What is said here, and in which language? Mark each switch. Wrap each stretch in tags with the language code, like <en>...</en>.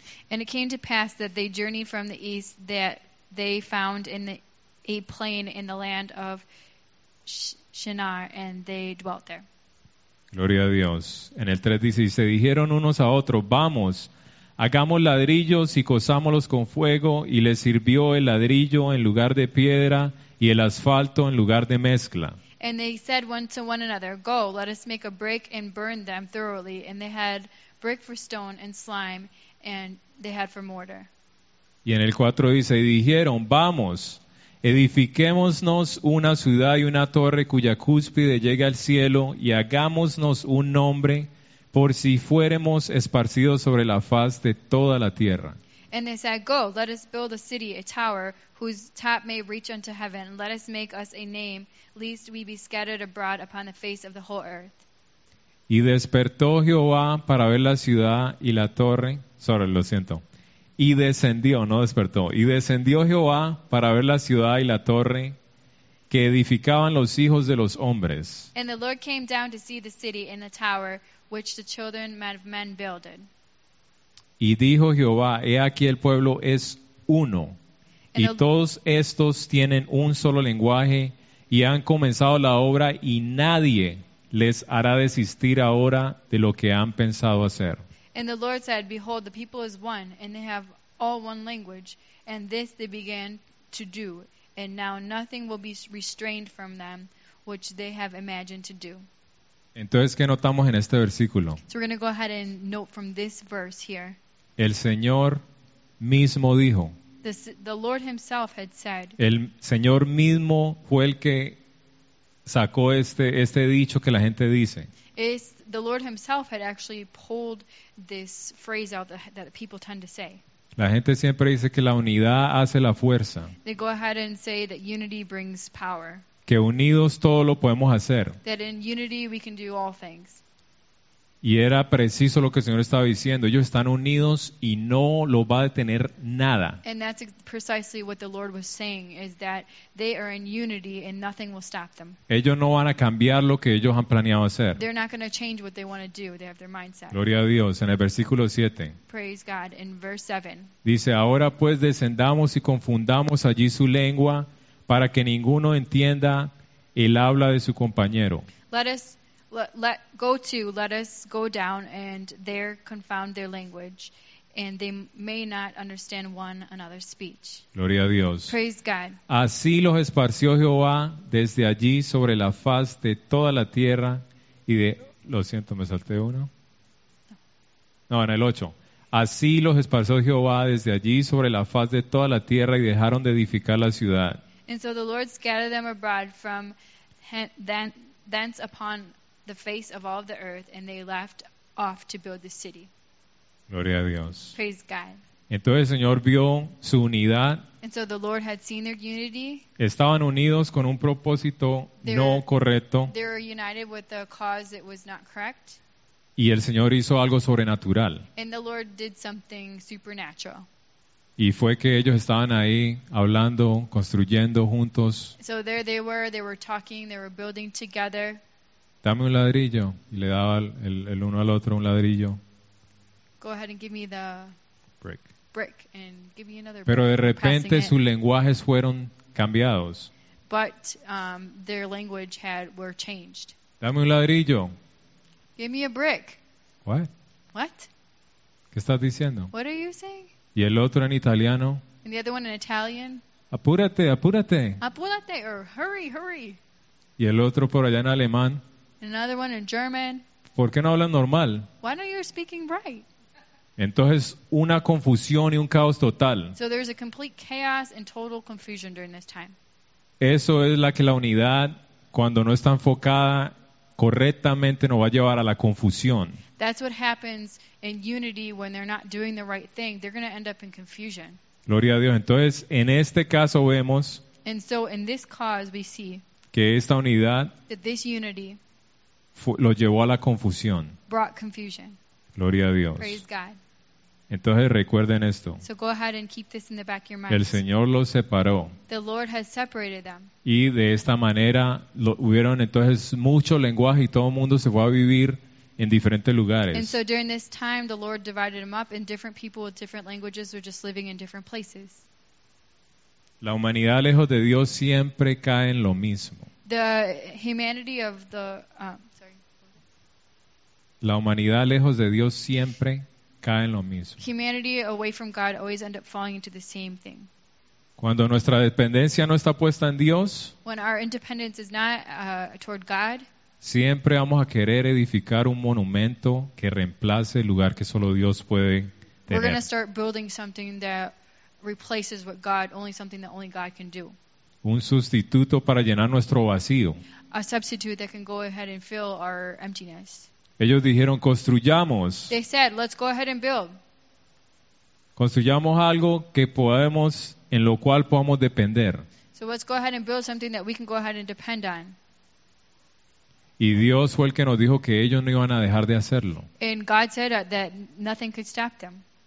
<en>And it came to pass that they journeyed from the east that they found in a plain in the land of Shinar and they dwelt there.</en> <es>Gloria a Dios. En el 3 dice, y se dijeron unos a otros, vamos, hagamos ladrillos y cosámoslos con fuego, y les sirvió el ladrillo en lugar de piedra y el asfalto en lugar de mezcla.</es> <en>And they said one to one another, go, let us make a brick and burn them thoroughly. And they had brick for stone and slime, and they had for mortar.</en> <es>Y en el 4 dice, y dijeron, vamos, edifiquémonos una ciudad y una torre cuya cúspide llegue al cielo, y hagámonos un nombre por si fuéremos esparcidos sobre la faz de toda la tierra.</es> <en>And they said, go, let us build a city, a tower, whose top may reach unto heaven. Let us make us a name, lest we be scattered abroad upon the face of the whole earth.</en> <es>Y despertó Jehová para ver la ciudad y la torre.</es> <en>Sorry,</en> <es>lo siento. Y descendió, no despertó. Y descendió Jehová para ver la ciudad y la torre que edificaban los hijos de los hombres.</es> <en>And the Lord came down to see the city and the tower which the children of men builded.</en> <es>Y dijo Jehová, he aquí el pueblo es uno, y todos estos tienen un solo lenguaje, y han comenzado la obra, y nadie les hará desistir ahora de lo que han pensado hacer.</es> <en>And the Lord said, behold, the people is one, and they have all one language, and this they began to do, and now nothing will be restrained from them, which they have imagined to do.</en> <es>Entonces, ¿qué notamos en este versículo?</es> <en>So we're going to go ahead and note from this verse here.</en> <es>El Señor mismo dijo.</es> <en>The Lord himself had said,</en> <es>el Señor mismo fue el que sacó este dicho que la gente dice.</es> <en>The Lord himself had actually pulled this phrase out that people tend to say.</en> <es>La gente siempre dice que la unidad hace la fuerza.</es> <en>They go ahead and say that unity brings power.</en> <es>Que unidos todo lo podemos hacer.</es> <en>That in unity we can do all things.</en> <es>Y era preciso lo que el Señor estaba diciendo. Ellos están unidos y no lo va a detener nada.</es> <en>And that's precisely what the Lord was saying, is that they are in unity and nothing will stop them.</en> <es>Ellos no van a cambiar lo que ellos han planeado hacer.</es> <en>They're not going to change what they want to do. They have their mindset.</en> <es>Gloria a Dios. En el versículo 7.</es> <en>Praise God. In verse 7.</en> <es>Dice, ahora pues descendamos y confundamos allí su lengua para que ninguno entienda el habla de su compañero.</es> <en>Let us go down and there confound their language, and they may not understand one another's speech.</en> <es>Gloria a Dios.</es> <en>Praise God.</en> <es>Así los esparció Jehová desde allí sobre la faz de toda la tierra y de... Lo siento, me salté uno. No, en el 8. Así los esparció Jehová desde allí sobre la faz de toda la tierra y dejaron de edificar la ciudad.</es> <en>And so the Lord scattered them abroad from thence upon the face of all of the earth, and they left off to build the city.</en> <es>Gloria a Dios.</es> <en>Praise God.</en> <es>Entonces el Señor vio su unidad.</es> <en>And so the Lord had seen their unity.</en> <es>Estaban unidos con un propósito no correcto.</es> <en>They were united with a cause that was not correct.</en> <es>Y el Señor hizo algo sobrenatural.</es> <en>And the Lord did something supernatural.</en> <es>Y fue que ellos estaban ahí hablando, construyendo juntos.</es> <en>So there they were talking, they were building together.</en> <es>Dame un ladrillo. Y le daba el uno al otro un ladrillo.</es> <en>Go ahead and give me the brick and give me another.</en> <es>Pero</es> <en>brick,</en> <es>de repente sus lenguajes fueron cambiados.</es> <en>But their language were changed.</en> <es>Dame un ladrillo.</es> <en>Give me a brick. What?</en> <es>¿Qué estás diciendo?</es> <en>What are you saying?</en> <es>Y el otro en italiano.</es> <en>And the other one in Italian.</en> <es>Apúrate, apúrate. Apúrate</es> <en>or hurry, hurry.</en> <es>Y el otro por allá en alemán.</es> <en>Another one in German.</en> <es>¿Por qué no hablan normal?</es> <en>Why aren't you speaking right?</en> <es>Entonces una confusión y un caos total.</es> <en>So there's a complete chaos and total confusion during this time.</en> <es>Eso es la que la unidad, cuando no está enfocada correctamente, nos va a llevar a la confusión.</es> <en>That's what happens in unity when they're not doing the right thing. They're going to end up in confusion.</en> <es>Gloria a Dios. Entonces en este caso vemos.</es> <en>And so in this cause we see</en> <es>que esta unidad.</es> <en>That this unity.</en> <es>Lo llevó a la confusión.</es> <en>Brought confusion.</en> <es>Gloria a Dios.</es> <en>Praise God.</en> <es>Entonces recuerden esto.</es> <en>So go ahead and keep this in the back of your mind.</en> <es>El Señor los separó.</es> <en>The Lord has separated them.</en> <es>Y de esta manera hubieron entonces mucho lenguaje y todo el mundo se fue a vivir en diferentes lugares.</es> <en>And so during this time the Lord divided them up and different people with different languages were just living in different places.</en> <es>La humanidad lejos de Dios siempre cae en lo mismo.</es> <en>The humanity of the...</en> <es>La humanidad lejos de Dios siempre cae en lo mismo.</es> <en>Humanity away from God always end up falling into the same thing.</en> <es>Cuando nuestra dependencia no está puesta en Dios,</es> <en>when our independence is not toward God,</en> <es>siempre vamos a querer edificar un monumento que reemplace el lugar que solo Dios puede tener.</es> <en>We're going to start building something that replaces what God, only something that only God can do.</en> <es>Un sustituto para llenar nuestro vacío.</es> <en>A substitute that can go ahead and fill our emptiness.</en> <es>Ellos dijeron, construyamos.</es> <en>They said, let's go ahead and build.</en> <es>Construyamos algo que podemos, en lo cual podamos depender.</es> <en>So let's go ahead and build something that we can go ahead and depend on.</en> <es>Y Dios fue el que nos dijo que ellos no iban a dejar de hacerlo.</es> <en>And God said that nothing could stop them.</en>